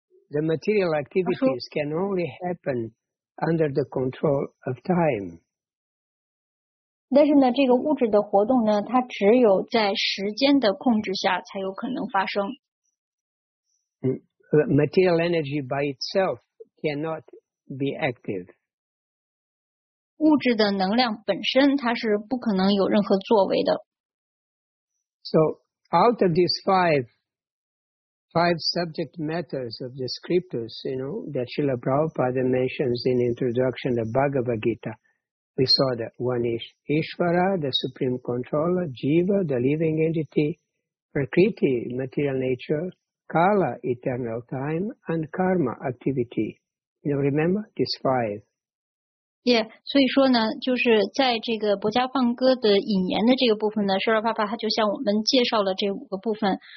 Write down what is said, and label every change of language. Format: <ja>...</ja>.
<en>The material activities can only happen under the control of time.</en> <zh>但是呢，这个物质的活动呢，它只有在时间的控制下才有可能发生。</zh> <en>Material energy by itself cannot be active.</en> <zh>物质的能量本身它是不可能有任何作为的。</zh> <en>So, out of these five subject matters of the scriptures, you know, that Srila Prabhupada mentions in the introduction of Bhagavad Gita, we saw that one is Ishvara, the supreme controller, Jiva, the living entity, Prakriti, material nature, Kala, eternal time, and Karma, activity. You know, remember these five.</en> <zh>Yeah, 所以说呢，就是在这个《薄伽梵歌》的引言的这个部分呢，舍尔帕帕他就向我们介绍了这五个部分。</zh>